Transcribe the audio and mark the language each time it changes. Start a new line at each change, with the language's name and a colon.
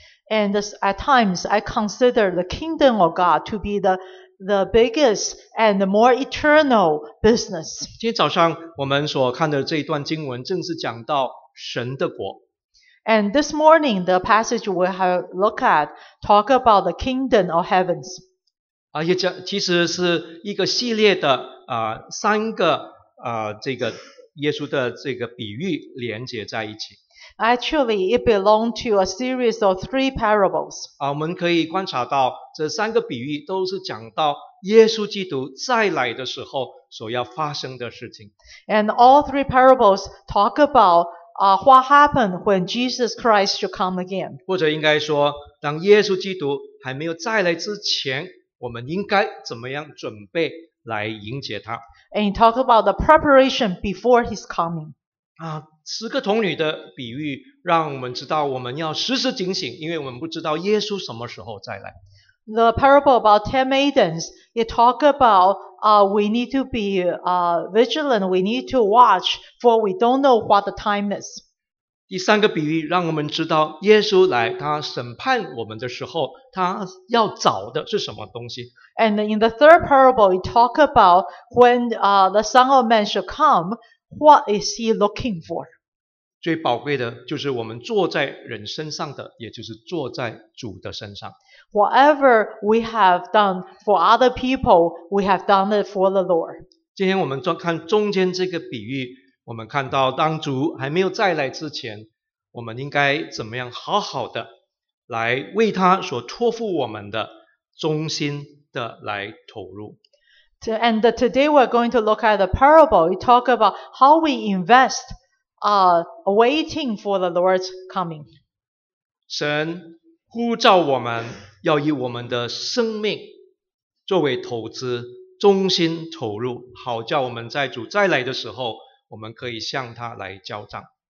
English: And at times, I consider the kingdom of God to be the biggest and the more eternal business.
Chinese: 今天早上我们所看的这一段经文正是讲到神的国。
English: And this morning, the passage we have looked at talk about the kingdom of heavens.
Chinese: 而且其实是一个系列的三个这个耶稣的这个比喻连接在一起。
English: Actually, it belonged to a series of three parables.
Chinese: 我们可以观察到这三个比喻都是讲到耶稣基督再来的时候所要发生的事情。
English: And all three parables talk about what happened when Jesus Christ should come again.
Chinese: 或者应该说，当耶稣基督还没有再来之前，我们应该怎么样准备来迎接他。
English: And talk about the preparation before his coming.
Chinese: 十个童女的比喻让我们知道我们要时时警醒，因为我们不知道耶稣什么时候再来。
English: The parable about 10 maidens, it talk about we need to be vigilant, we need to watch, for we don't know what the time is.
Chinese: 第三个比喻让我们知道耶稣来他审判我们的时候他要找的是什么东西。
English: And in the third parable, it talk about when the Son of Man shall come,What is he looking for?
Chinese: 最宝贵的就是我们坐在人身上的，也就是坐在主的身上。
English: Whatever we have done for other people, we have done it for the Lord.
Chinese: 今天我们看中间这个比喻，我们看到当主还没有再来之前，我们应该怎么样好好的来为他所托付我们的忠心的来投入。
English: And today we're going to look at the parable. We talk about how we invest, waiting for the Lord's coming.
Chinese: 神呼召我们要以我们的生命作为投资，忠心投入，好叫我们在主再来的时候，我们可以向他来交账。